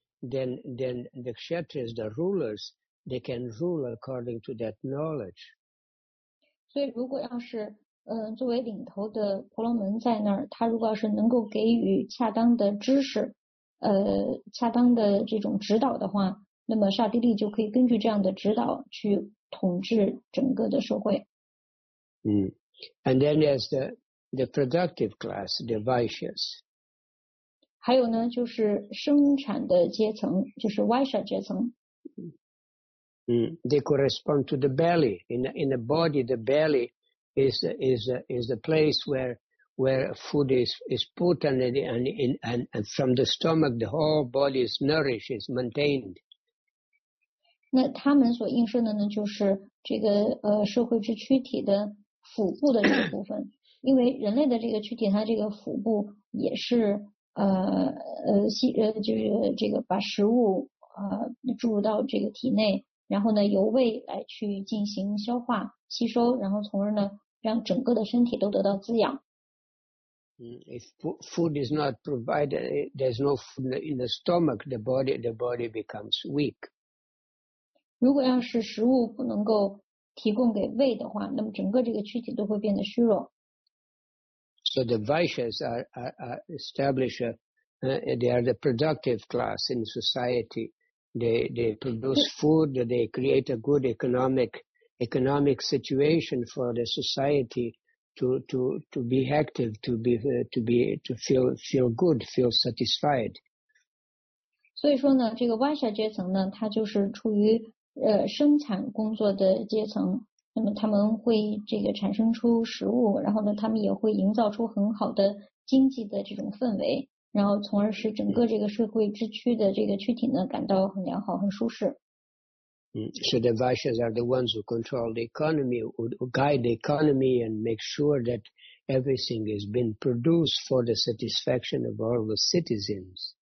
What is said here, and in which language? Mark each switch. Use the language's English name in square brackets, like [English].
[English] Then the kshatriyas, the rulers, they can rule according to that knowledge. [Chinese] 所以如果要是作为领头的婆罗门在那儿，他如果要是能够给予恰当的知识，恰当的这种指导的话，那么刹帝利就可以根据这样的指导去统治整个的社会。 [English] And then there's the productive class, the Vaishyas. [Chinese] 还有呢，就是生产的阶层，就是 Vaishya 阶层。 [English] They correspond to the belly. In the body, the belly is the place where food is put, and from the stomach, the whole body is nourished, is maintained. [Chinese] 那他们所应生的呢，就是这个社会之躯体的腹部的这个部分，因为人类的这个躯体，它这个腹部也是就是这个把食物注入到这个体内。然后呢，由胃来去进行消化吸收，然后从而呢，让整个的身体都得到滋养。 [English] If food is not provided, there's no food in the stomach. The body becomes weak. [Chinese] 如果要是食物不能够提供给胃的话，那么整个这个躯体都会变得虚弱。 [English] So the Vaishyas are established. They are the productive class in society. They produce food, they create a good economic situation for the society to be active, to feel good, feel satisfied. [Chinese] 所以说呢，这个 Vaishya 阶层呢，它就是处于生产工作的阶层，那么他们会这个产生出食物，然后呢，他们也会营造出很好的经济的这种氛围。然后从而使整个这个社会之躯的这个躯体呢感到很良好很舒适。 [English] So the Vaishyas are the ones who control the economy, who guide the economy and make sure that everything is being produced for the satisfaction of all the citizens.